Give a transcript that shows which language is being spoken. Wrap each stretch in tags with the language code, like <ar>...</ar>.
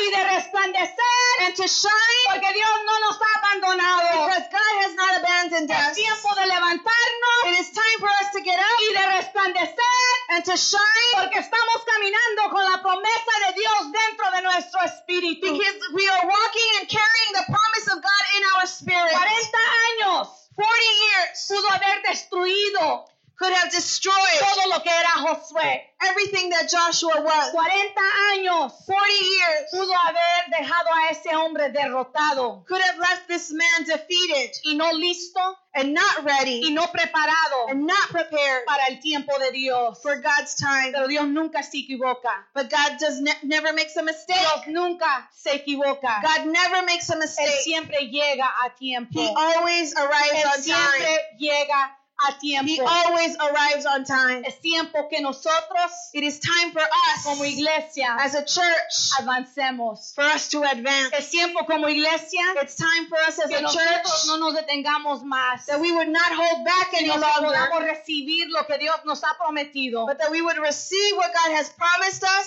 <es>Y de resplandecer.</es> <en>And to shine.</en> <es>Porque Dios no nos ha abandonado.</es> <en>Because God has not abandoned us.</en> <es>Es tiempo de levantarnos.</es> <en>It is time for us to get up.</en> <es>Y de resplandecer.</es> <en>And to shine.</en> <es>Porque estamos caminando con la promesa de Dios dentro de nuestro espíritu.</es> <en>Because we are walking and carrying the promise of God in our spirit.</en> <es>40 años.</es> <en>40 years.</en> <es>Pudo haber destruido.</es> <en>Could have destroyed.</en> <es>Todo lo que era Josué.</es> <en>Everything that Joshua was.</en> <es>40 años.</es> <en>40 years.</en> <es>Pudo haber dejado a ese hombre derrotado.</es> <en>Could have left this man defeated.</en> <es>Y no listo.</es> <en>And not ready.</en> <es>Y no preparado.</es> <en>And not prepared.</en> <es>Para el tiempo de Dios.</es> <en>For God's time.</en> <es>Pero Dios nunca se equivoca.</es> <en>But God does never makes a mistake.</en> <es>Dios nunca se equivoca.</es> <en>God never makes a mistake.</en> <es>Él siempre llega a tiempo.</es> <en>He always arrives</en> <es>él</es> <en>on time.</en> <es>Él siempre llega a tiempo.</es> <en>He always arrives on time.</en> <es>Es tiempo que nosotros,</es> <en>it is time for us,</en> <es>como iglesia,</es> <en>as a church,</en> <es>avancemos,</es> <en>for us to advance.</en> <es>Es tiempo como iglesia,</es> <en>it's time for us as</en> <es>que</es> <en>a church,</en> <es>no nos detengamos más,</es> <en>that we would not hold back any longer,</en> <es>que podamos recibir lo que Dios nos ha prometido,</es> <en>but that we would receive what God has promised us,</en>